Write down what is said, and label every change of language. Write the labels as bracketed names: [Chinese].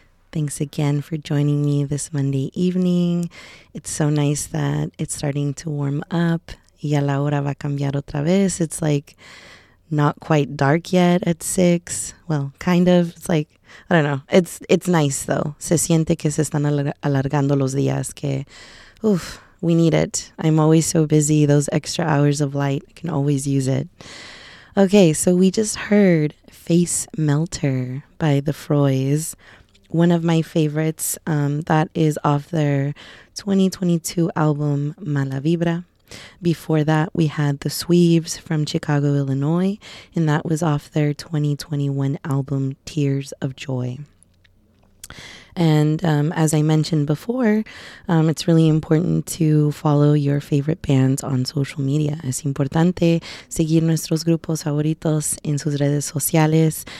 [English] Thanks again for joining me this Monday evening. It's so nice that it's starting to warm up. [Spanish] Ya la hora va a cambiar otra vez. [English] It's like not quite dark yet at 6. Well, kind of. It's like, I don't know. It's nice though. [Spanish] Se siente que se están alargando los días que, oof, [English] we need it. I'm always so busy. Those extra hours of light, I can always use it. Okay, so we just heard Face Melter by The Froys, one of my favorites. That is off their 2022 album, Mala Vibra. Before that, we had The Sweeves from Chicago, Illinois, and that was off their 2021 album, Tears of Joy. And as I mentioned before, it's really important to follow your favorite bands on social media. [Spanish] Es importante seguir nuestros grupos favoritos en sus redes sociales.